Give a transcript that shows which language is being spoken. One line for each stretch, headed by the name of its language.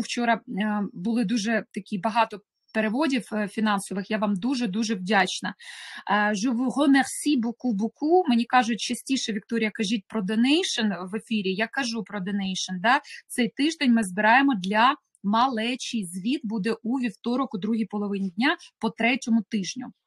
Ukrainian: Вчора були дуже такі багато переводів фінансових, я вам дуже-дуже вдячна.
French: Je vous remercie beaucoup.
Ukrainian: Мені кажуть частіше, Вікторія, кажіть про донейшн в ефірі. Я кажу про донейшн, да? Цей тиждень ми збираємо для малечий звіт буде у вівторок, у другій половині дня, по третьому тижню.